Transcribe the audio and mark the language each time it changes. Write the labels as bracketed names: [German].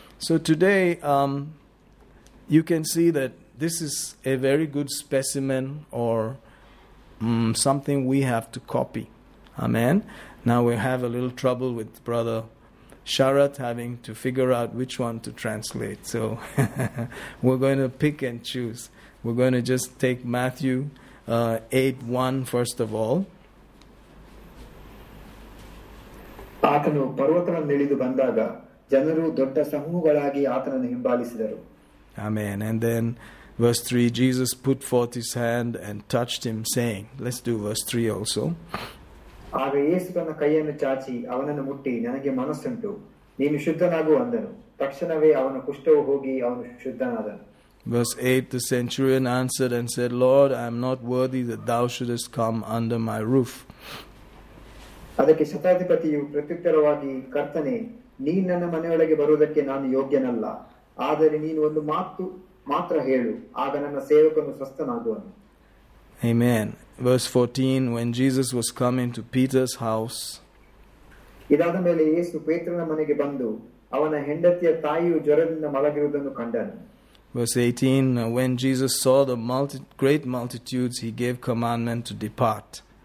[English] So today, you can see that this is a very good specimen or something we have to copy. Amen? Now we have a little trouble with Brother Sharat having to figure out which one to translate. So we're going to pick and choose. We're going to just take Matthew 8:1 first of all. [Kannada] ಆತನು ಪರ್ವತನಲ್ಲಿಳಿದು ಬಂದಾಗ ಜನರು ದೊಡ್ಡ ಸಮೂಹಗಳಾಗಿ ಆತನನ್ನು ಹಿಂಬಾಲಿಸಿದರು. Amen. [English] And then verse 3, Jesus put forth his hand and touched him saying, let's do verse 3 also. [Kannada] ಆಗ ಯೇಸು ತನ್ನ ಕೈಯನ್ನು ಚಾಚಿ ಅವನನ್ನು ಮುಟ್ಟಿ, ನನಗೆ ಮನಸ್ಸುಂಟು, ನೀನು ಶುದ್ಧನಾಗು ಅಂದನು. ತಕ್ಷಣವೇ ಅವನ ಕುಷ್ಠವು ಹೋಗಿ ಅವನು ಶುದ್ಧನಾದನು. [English] Verse 8, the centurion answered and said, Lord, I am not worthy that thou shouldest come under my roof. [Kannada] ಅದಕ್ಕೆ ಶತಾಧಿಪತಿಯು ಪ್ರತ್ಯುತ್ತರವಾಗಿ, ಕರ್ತನೆ, ನೀ ನನ್ನ ಮನೆಯೊಳಗೆ ಬರುವುದಕ್ಕೆ ನಾನು ಯೋಗ್ಯನಲ್ಲ, ಆದರೆ ನೀನು ಒಂದು ಮಾತು ಮಾತ್ರ ಹೇಳು, ಆಗ ನನ್ನ ಸೇವಕನು ಸ್ವಸ್ಥನಾಗುವನು. [English] Amen. Verse 14, when Jesus was coming to Peter's house, verse 18, when Jesus saw the great multitudes, he gave commandment to depart.